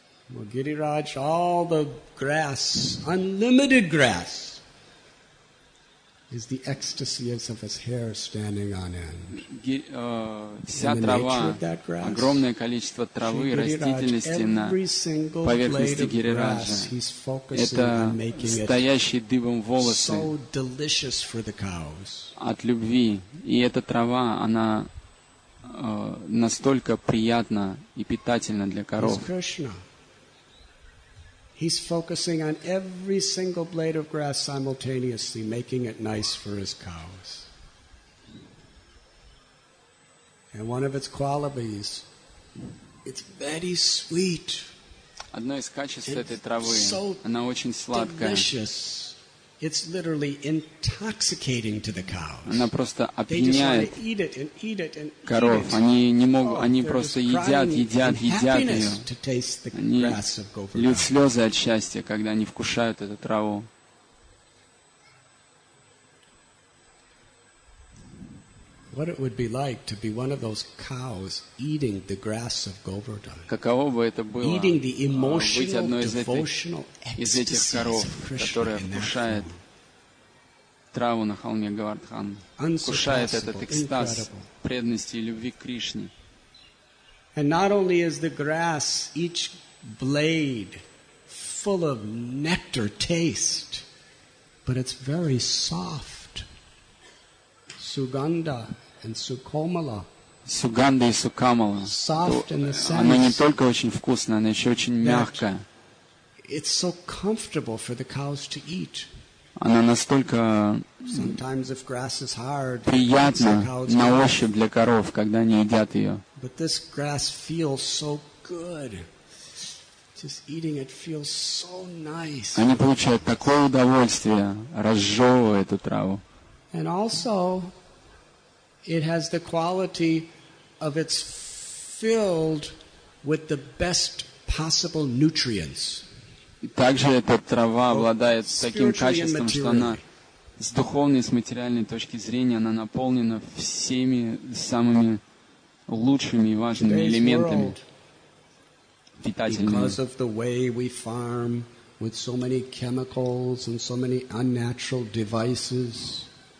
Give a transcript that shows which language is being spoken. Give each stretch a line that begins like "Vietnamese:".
English: Well, Гирирадж, all the grass, unlimited grass, is the ecstasy of his hair standing on end.
Russian: Вся трава, огромное количество травы и растительности на поверхности Гирираджа, это стоящие дыбом волосы от любви. И эта трава, она настолько приятна и питательна для коров.
English: He's focusing on every single blade of grass simultaneously, making it nice for his cows. And one of its qualities, it's very sweet.
Russian: Одно из качеств этой травы, она очень сладкая.
English: Delicious. It's literally intoxicating to the cows.
Russian: Она просто опьяняет коров. Они не могут, они просто едят, едят, едят ее. Они льют слезы от счастья, когда они вкушают эту траву.
English: What it would be like to be one of those cows eating the grass of Govardhan?
Russian: Каково бы это было?
English: Eating the emotional, devotional ecstasy of Krishna in
Russian: траву на холме Говардхан, кушает этот экстаз преданности и любви к Кришне.
English: And not only is the grass, each blade full of nectar taste, but it's very soft. Suganda and Sukomala.
Russian: Суганда и Сукамала.
English: Soft in the sense.
Russian: Она не только очень вкусная, она еще очень мягкая.
English: It's so comfortable for the cows to eat.
Russian: Она настолько приятна на ощупь для коров, когда они едят ее.
English: But this grass feels so good. Just eating it feels so nice.
Russian: Они получают такое удовольствие, разжевывая эту траву.
English: And also, it has the quality of it's filled with the best possible nutrients.
Russian: Также эта трава обладает таким качеством, что она с духовной, с материальной точки зрения, она наполнена всеми самыми лучшими и важными элементами, питательными.